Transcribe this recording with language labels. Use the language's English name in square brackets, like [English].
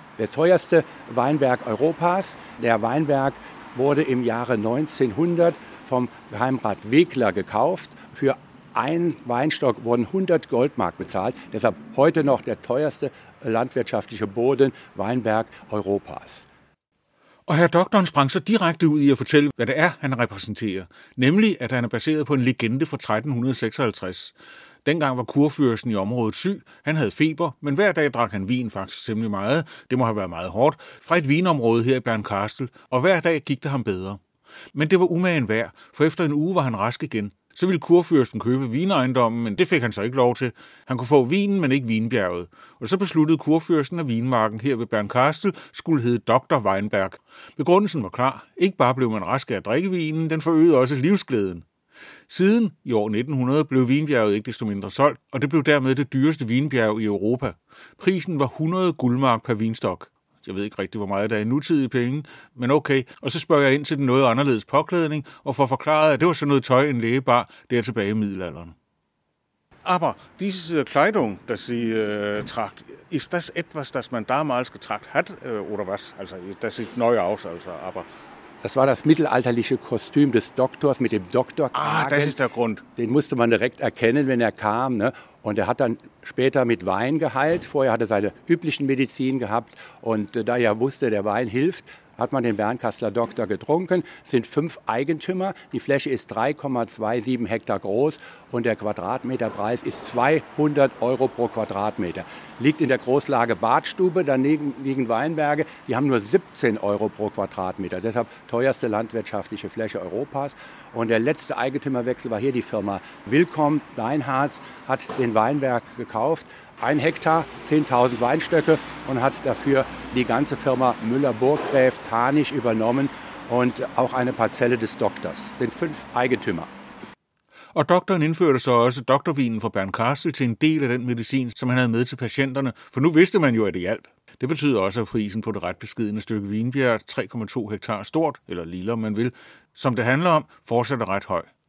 [German] Der teuerste Weinberg Europas, der Weinberg wurde im Jahre 1900 vom Geheimrat Wegler gekauft. Für einen Weinstock wurden 100 Goldmark bezahlt. Deshalb heute noch der teuerste landwirtschaftliche Boden, Weinberg Europas. [Danish] Og herr doktoren sprang så direkte ud i at fortælle, hvad det er, han repræsenterer. Nemlig, at han er baseret på en legende fra 1356. Dengang var kurfyrsten i området syg, han havde feber, men hver dag drak han vin faktisk temmelig meget, det må have været meget hårdt, fra et vinområde her i Bern Castle, og hver dag gik det ham bedre. Men det var umagen værd, for efter en uge var han rask igen. Så ville kurfyrsten købe vinejendommen, men det fik han så ikke lov til. Han kunne få vinen, men ikke vinbjerget. Og så besluttede kurfyrsten, at vinmarken her ved Bernkastel skulle hedde Dr. Weinberg. Begrundelsen var klar. Ikke bare blev man rask af at drikke vinen, den forøgede også livsglæden. Siden i år 1900 blev vinbjerget ikke desto mindre solgt, og det blev dermed det dyreste vinbjerg i Europa. Prisen var 100 guldmark per vinstok. Jeg ved ikke rigtig, hvor meget der er i nutidige penge, men okay. Og så spørger jeg ind til den noget anderledes påklædning, og får forklaret, at det var sådan noget tøj, en læge bar, der tilbage i middelalderen. [German] Aber diese Kleidung, dass sie tragt, ist das etwas, das man damals getragt hat, oder was? Also, das sieht neu aus, also, aber... Das war das mittelalterliche Kostüm des Doktors mit dem Doktorkragen. Ah, das ist der Grund. Den musste man direkt erkennen, wenn er kam, ne? Und er hat dann später mit Wein geheilt. Vorher hat er seine üblichen Medizin gehabt. Und da er wusste, der Wein hilft, hat man den Bernkasteler Doktor getrunken. Es sind 5 Eigentümer. Die Fläche ist 3,27 Hektar groß. Und der Quadratmeterpreis ist 200 Euro pro Quadratmeter. Liegt in der Großlage Badstube. Daneben liegen Weinberge. Die haben nur 17 Euro pro Quadratmeter. Deshalb teuerste landwirtschaftliche Fläche Europas. Und der letzte Eigentümerwechsel war hier die Firma Willkomm. Deinharz hat den Weinberg gekauft. 1 Hektar, 10.000 Weinstöcke und hat dafür die ganze Firma Müller-Burggräf Tarnisch übernommen und auch eine Parzelle des Doktors. Sind 5 Eigentümer. [Danish] Og doktoren indførte så også doktorvinen fra Bernkastel til en del af den medicin, som han havde med til patienterne, for nu vidste man jo, at det hjalp. Det betyder også, at prisen på det ret beskidende stykke vinbjerg, 3,2 hektar stort, eller lille om man vil, som det handler om, fortsætter ret høj.